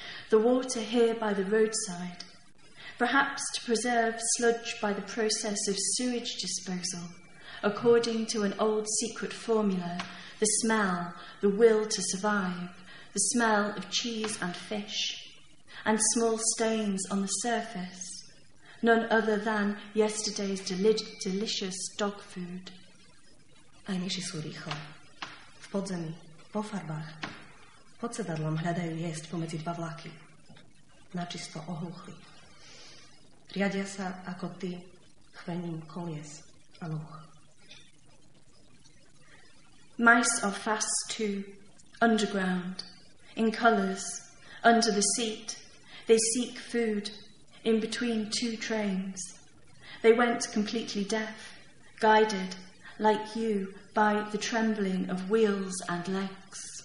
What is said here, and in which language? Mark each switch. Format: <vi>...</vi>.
<en>The water here by the roadside, perhaps to preserve sludge by the process of sewage disposal, according to an old secret formula, the smell, the will to survive, the smell of cheese and fish, and small stains on the surface, none other than yesterday's delicious dog food.</en> <sk>Aj myši sú rýchle. V podzemí, po farbách, pod sedadlom hľadajú jesť pomedzi dva vlaky. Načisto ohluchli. Riadia sa ako ty chvením kolies a lúch.</sk> <en>Mice are fast too, underground, in colours, under the seat. They seek food, in between two trains. They went completely deaf, guided, like you, by the trembling of wheels and legs.</en>